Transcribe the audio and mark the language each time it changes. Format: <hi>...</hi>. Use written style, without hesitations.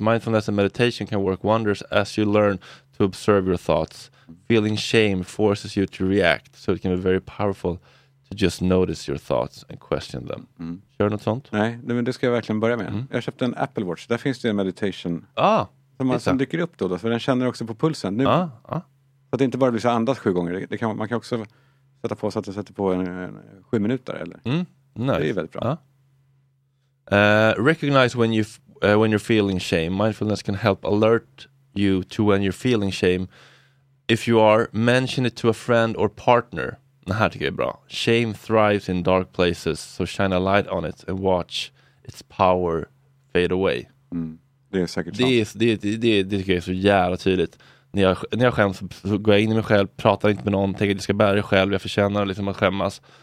<en>Mindfulness and meditation can work wonders as you learn to observe your thoughts. Feeling shame forces you to react. So it can be very powerful to just notice your thoughts and question them.</en> <sv>Kör du något sånt? Nej, men det ska jag verkligen börja med. Jag köpte en Apple Watch. Där finns det en meditation som dyker upp då. För den känner också på pulsen nu. Så att det inte bara blir så andas 7 gånger. Det kan, man kan också... Sätta på så att jag sätter på en 7 minuter, eller? Nice. Det är väldigt bra.</sv> <en>Recognize when you're feeling shame. Mindfulness can help alert you to when you're feeling shame. If you are, mention it to a friend or partner.</en> <sv>Det här tycker jag är bra.</sv> <en>Shame thrives in dark places, so shine a light on it and watch its power fade away.</en> <sv>Det är säkert det tycker jag är så jävla tydligt. När jag skäms så går jag in i mig själv, pratar inte med någon, tänker att jag ska bära det själv, jag förtjänar liksom att skämmas.</sv>